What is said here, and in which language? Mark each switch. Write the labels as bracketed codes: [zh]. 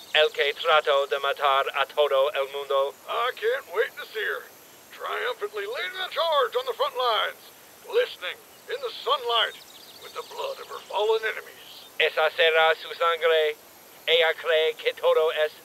[es] El que trato de matar a todo el mundo. [en] I can't wait to see her. Triumphantly leading the charge on the front lines. Glistening in the sunlight with the blood of her fallen enemies. [es] Esa será su sangre. Ella cree que todo es